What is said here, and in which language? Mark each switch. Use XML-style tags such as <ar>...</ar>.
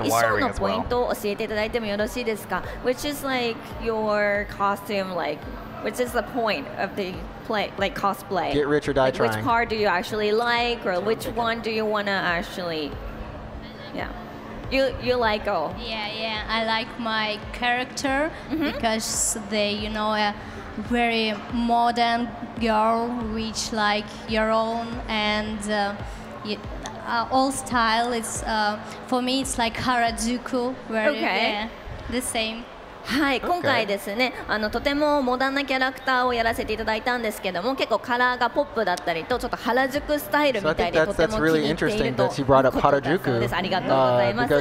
<ja>そしてダイアナ・サイモンさんですね、今回衣装のポイントを教えていただいてもよろしいですか?</ja> <en>Which is like your costume, like, which is the point of the play, like cosplay? Get rich or die like, trying. Which part do you actually like, or which one do you want to actually, yeah. You like all? Yeah, yeah, I like my character because they, you know, a very modern girl, which like your own and all style. It's for me, it's like Harajuku, very, yeah, the same.</en> <ja>はい、今回ですね、とてもモダンなキャラクターをやらせていただいたんですけども、結構カラーがポップだったりと、ちょっと原宿スタイルみたいで、とても気に入っていたそうです。</ja> <en>So I think that's really interesting that she brought up Harajuku.</en>